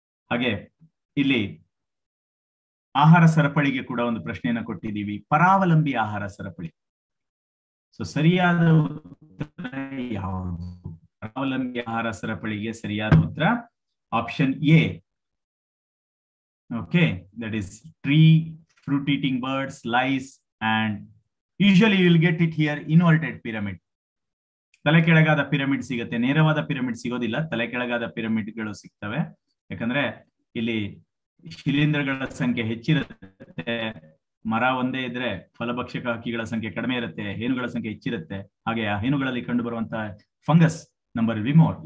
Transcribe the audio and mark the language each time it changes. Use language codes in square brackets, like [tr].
[kn] ಹಾಗೆ ಇಲ್ಲಿ ಆಹಾರ ಸರಪಳಿಗೆ ಕೂಡ ಒಂದು ಪ್ರಶ್ನೆಯನ್ನು ಕೊಟ್ಟಿದ್ದೀವಿ, ಪರಾವಲಂಬಿ ಆಹಾರ ಸರಪಳಿ. ಸೊ ಸರಿಯಾದ ಉತ್ತರ ಯಾವುದು? ಪರಾವಲಂಬಿ ಆಹಾರ ಸರಪಳಿಗೆ ಸರಿಯಾದ ಉತ್ತರ option A. Okay, [en] That is tree fruit eating birds, lice, and usually you will get it here, inverted pyramid. [kn] ತಲೆ ಕೆಳಗಾದ ಪಿರಮಿಡ್ ಸಿಗುತ್ತೆ, ನೇರವಾದ ಪಿರಮಿಡ್ ಸಿಗೋದಿಲ್ಲ, ತಲೆ ಕೆಳಗಾದ ಪಿರಮಿಡ್ಗಳು ಸಿಗ್ತವೆ. ಯಾಕಂದ್ರೆ ಇಲ್ಲಿ ಶಿಲೀಂಧ್ರಗಳ ಸಂಖ್ಯೆ ಹೆಚ್ಚಿರುತ್ತೆ, ಮರ ಒಂದೇ ಇದ್ರೆ ಫಲಭಕ್ಷಕ ಹಕ್ಕಿಗಳ ಸಂಖ್ಯೆ ಕಡಿಮೆ ಇರುತ್ತೆ, ಹೇನುಗಳ ಸಂಖ್ಯೆ ಹೆಚ್ಚಿರುತ್ತೆ, ಹಾಗೆ ಆ ಹೇನುಗಳಲ್ಲಿ ಕಂಡು ಬರುವಂತಹ ಫಂಗಸ್ ನಂಬರ್ ವಿ ಮೋರ್.